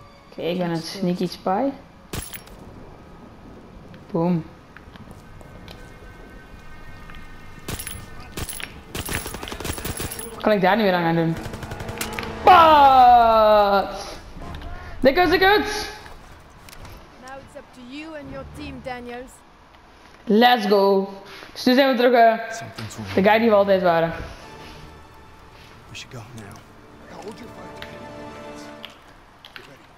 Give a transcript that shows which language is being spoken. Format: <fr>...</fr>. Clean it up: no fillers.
<nl>Oké, ik ben een sneaky spy. Boom. Wat kan ik daar nu weer aan gaan doen? Wat? Dit is de kut!</nl> <en>Now it's up to you and your team, Daniels. Let's go.</en> <nl>Dus nu zijn we terug. De guy die we altijd waren.</nl> <en>We should go now. Hold your fire. Get ready.</en>